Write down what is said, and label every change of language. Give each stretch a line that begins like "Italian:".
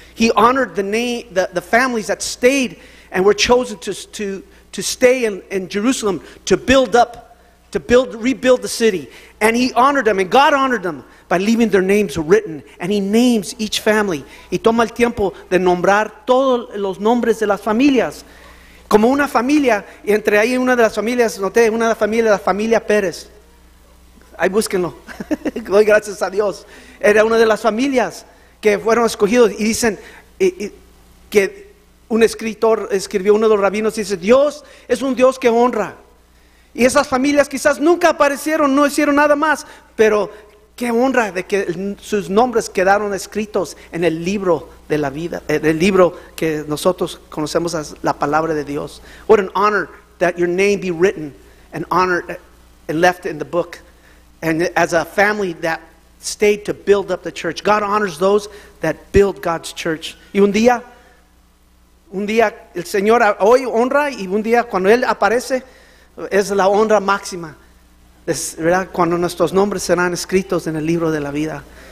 English: He honored the families that stayed and were chosen to stay in Jerusalem to build up, rebuild the city. And he honored them, and God honored them by leaving their names written. And he names each family.
Spanish: Y toma el tiempo de nombrar todos los nombres de las familias. Como una familia, y entre ahí una de las familias, noté, una de las familias, la familia Pérez. Ahí búsquenlo. Doy gracias a Dios. Era una de las familias que fueron escogidos. Y dicen que un escritor escribió, uno de los rabinos, dice, Dios es un Dios que honra. Y esas familias quizás nunca aparecieron, no hicieron nada más. Pero qué honra de que sus nombres quedaron escritos en el libro de la vida, en el libro que nosotros conocemos as la palabra de Dios.
English: What an honor that your name be written and honored and left in the book. And as a family that stayed to build up the church. God honors those that build God's church.
Spanish: Y un día el Señor hoy honra, y un día cuando Él aparece es la honra máxima. Es verdad, cuando nuestros nombres serán escritos en el libro de la vida.